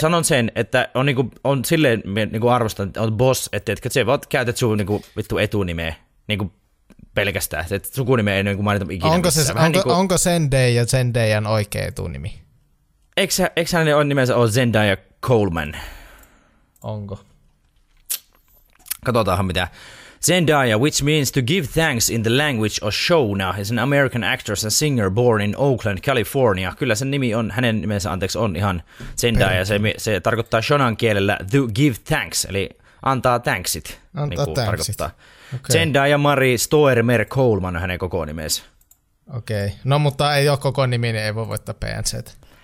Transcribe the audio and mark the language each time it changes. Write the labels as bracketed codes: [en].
[fi] sanon sen, että on, niinku, on silleen niinku arvostan, että on boss, että se vaan käytät sun niinku, vittu etunimeä niinku pelkästään. Se, sukunimeä ei niinku mainita ikinä. Onko Zendayan oikea etunimi? Eikö hänen on nimensä ole Zendaya Coleman? Onko? Katsotaanhan mitä. [en] Zendaya, which means to give thanks in the language of Shona, is an American actress and singer born in Oakland, California. [fi] Kyllä sen nimi on, hänen nimensä anteeksi, on ihan Zendaya. Se tarkoittaa Shonan kielellä [en] to give thanks, [fi] eli antaa thanksit. Antaa thanksit. [en] Okay. [fi] Zendaya Marie Stoermer Coleman on hänen koko nimensä. Okei, okay. No mutta ei ole koko nimi, niin ei voi voittaa PNC:t.